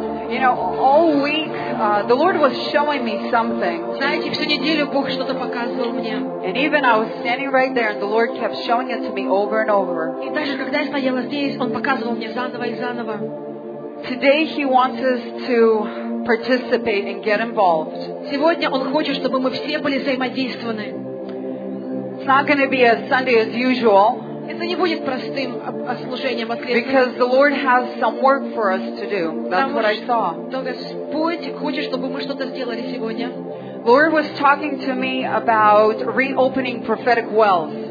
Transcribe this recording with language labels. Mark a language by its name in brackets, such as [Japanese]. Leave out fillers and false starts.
[English] You know, all week the Lord was showing me something. [Russian] Знаете, всю неделю Бог что-то показывал мне. [English] And even I was standing right there, and the Lord kept showing it to me over and over. [Russian] И даже когда я стояла здесь, Он показывал мне заново и заново. [English] Today He wants us to participate and get involved. [Russian] Сегодня Он хочет, чтобы мы все были взаимодействованы. [English] It's not going to be a Sunday as usual. [Russian] Это не будет простым служением открытым. [English] Because the Lord has some work for us to do. That's what I saw. [Russian] Потому что Господь хочет, чтобы мы что-то сделали сегодня. [English] Lord was talking to me about reopening prophetic wells.